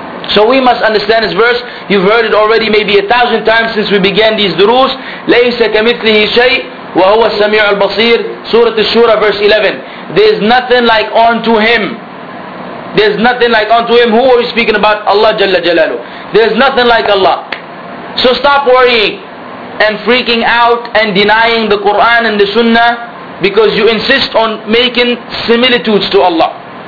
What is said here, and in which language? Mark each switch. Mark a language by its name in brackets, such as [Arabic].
[English] So we must understand this verse. You've heard it already maybe 1,000 times since we began these durus. [Arabic] لَيْسَ كَمِثْلِهِ شَيْءٍ وَهُوَ السَّمِيعُ الْبَصِيرُ [English] Surah Ash-Shura verse 11. There's nothing like unto Him. There's nothing like unto Him. Who are we speaking about? Allah Jalla Jalalu. There's nothing like Allah. So stop worrying and freaking out and denying the Quran and the Sunnah because you insist on making similitudes to Allah.